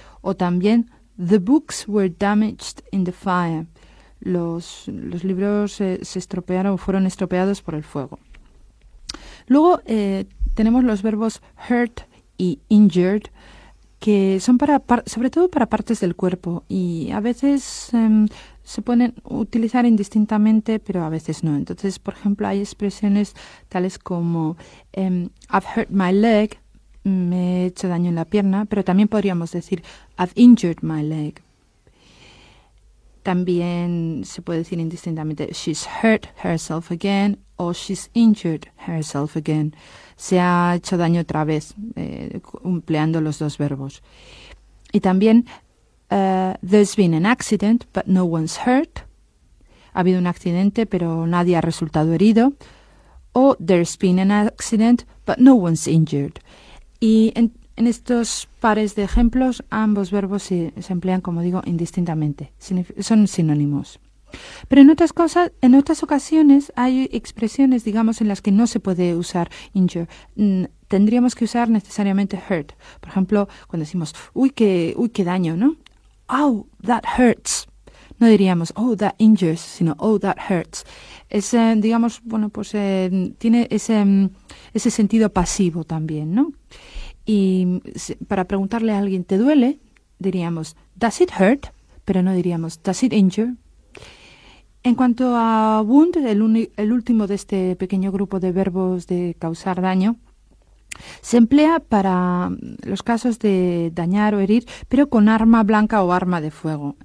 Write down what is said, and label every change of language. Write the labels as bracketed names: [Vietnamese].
[Spanish] O también, [English] the books were damaged in the fire. [Spanish] Los libros se estropearon, fueron estropeados por el fuego. Luego tenemos los verbos hurt y injured, que son sobre todo para partes del cuerpo. Y a veces se pueden utilizar indistintamente, pero a veces no. Entonces, por ejemplo, hay expresiones tales como [English] I've hurt my leg, [Spanish] me he hecho daño en la pierna, pero también podríamos decir [English] I've injured my leg. [Spanish] También se puede decir indistintamente [English] she's hurt herself again [Spanish] o [English] she's injured herself again. [Spanish] Se ha hecho daño otra vez, empleando los dos verbos. Y también [English] there's been an accident, but no one's hurt. [Spanish] Ha habido un accidente, pero nadie ha resultado herido. [English] O there's been an accident, but no one's injured. [Spanish] Y en estos pares de ejemplos, ambos verbos se emplean, como digo, indistintamente. Son sinónimos. Pero en otras ocasiones hay expresiones, digamos, en las que no se puede usar injure. Tendríamos que usar necesariamente hurt. Por ejemplo, cuando decimos, uy, qué daño, ¿no? [English] Oh, that hurts. [Spanish] No diríamos, [English] oh, that injures, sino, oh, that hurts. [Spanish] Es, digamos, bueno, pues tiene ese sentido pasivo también, ¿no? Y para preguntarle a alguien, ¿te duele? Diríamos, [English] does it hurt? [Spanish] Pero no diríamos, [English] does it injure? [Spanish] En cuanto a wound, el último de este pequeño grupo de verbos de causar daño, se emplea para los casos de dañar o herir, pero con arma blanca o arma de fuego.